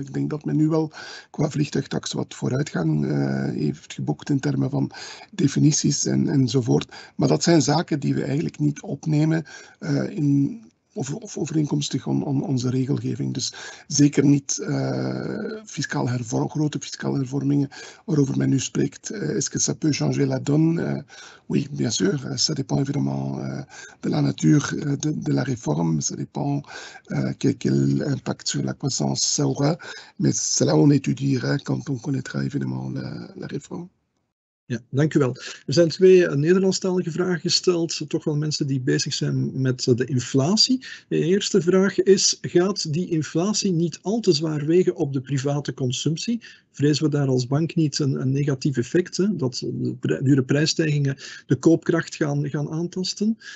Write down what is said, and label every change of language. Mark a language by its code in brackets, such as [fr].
[nl] Ik denk dat men nu wel qua vliegtuigtax wat vooruitgang heeft geboekt in termen van definities enzovoort. Maar dat zijn zaken die we eigenlijk niet opnemen of overeenkomstig om onze regelgeving. Dus zeker niet grote fiscale hervormingen waarover men nu spreekt. [fr] Est-ce que ça peut changer la donne? Oui, bien sûr. Ça dépend évidemment de la nature de la réforme. Ça dépend quel impact sur la croissance ça aura. Mais cela, on étudiera quand on connaîtra évidemment la réforme. [nl] Ja, dank u wel. Er zijn twee Nederlandstalige vragen gesteld, toch wel mensen die bezig zijn met de inflatie. De eerste vraag is, gaat die inflatie niet al te zwaar wegen op de private consumptie? Vrezen we daar als bank niet een negatief effect, hè? Dat dure prijsstijgingen de koopkracht gaan aantasten?